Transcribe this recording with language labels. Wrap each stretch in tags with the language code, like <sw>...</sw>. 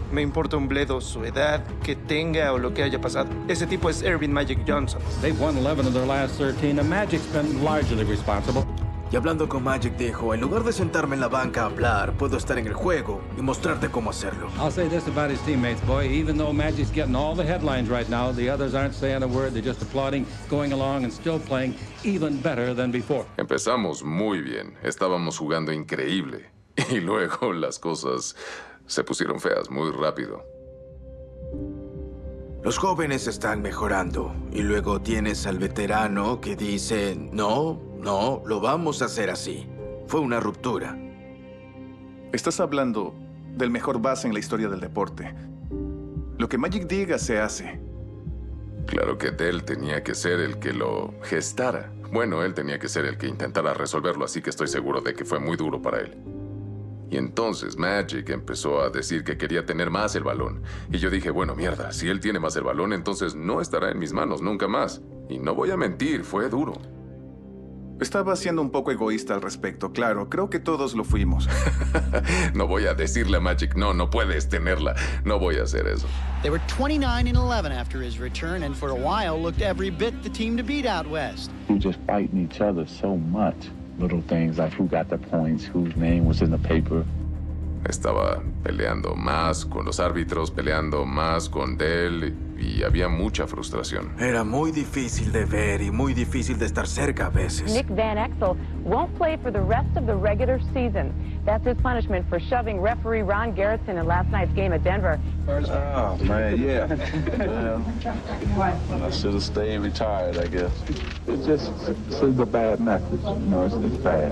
<es>Me importa un bledo su edad, que tenga o lo que haya pasado. Ese tipo es Irvin Magic Johnson.</es> <en>They've won 11 of their last 13, and Magic's been largely responsible.</en> <es>Y hablando con Magic dijo, en lugar de sentarme en la banca a hablar, puedo estar en el juego y mostrarte cómo hacerlo.</es> <en>I'll say this about his teammates, boy. Even though Magic's getting all the headlines right now, the others aren't saying a word. They're just applauding, going along and still playing even better than before.</en> <es>Empezamos muy bien. Estábamos jugando increíble. Y luego las cosas se pusieron feas muy rápido. Los jóvenes están mejorando. Y luego tienes al veterano que dice, no, no, lo vamos a hacer así. Fue una ruptura. Estás hablando del mejor base en la historia del deporte. Lo que Magic diga se hace. Claro que Dell tenía que ser el que lo gestara. Bueno, él tenía que ser el que intentara resolverlo, así que estoy seguro de que fue muy duro para él. Y entonces Magic empezó a decir que quería tener más el balón. Y yo dije, bueno, mierda, si él tiene más el balón, entonces no estará en mis manos nunca más. Y no voy a mentir, fue duro. Estaba siendo un poco egoísta al respecto, claro. Creo que todos lo fuimos. No voy a decirle a Magic, no, no puedes tenerla. No voy a hacer eso.</es> <en>They were 29-11 after his return, and for a while looked every bit the team to beat out West. We just fighting each other so much. Little things like who got the points, whose name was in the paper.</en> <es>Estaba peleando más con los árbitros, peleando más con Dell, y había mucha frustración. Era muy difícil de ver y muy difícil de estar cerca a veces.</es> <en>Nick Van Exel won't play for the rest of the regular season. That's his punishment for shoving referee Ron Garrison in last night's game at Denver. Oh, man, yeah. Yeah. What? I should have stayed retired, I guess. It's a bad message. You know, it's just bad.</en>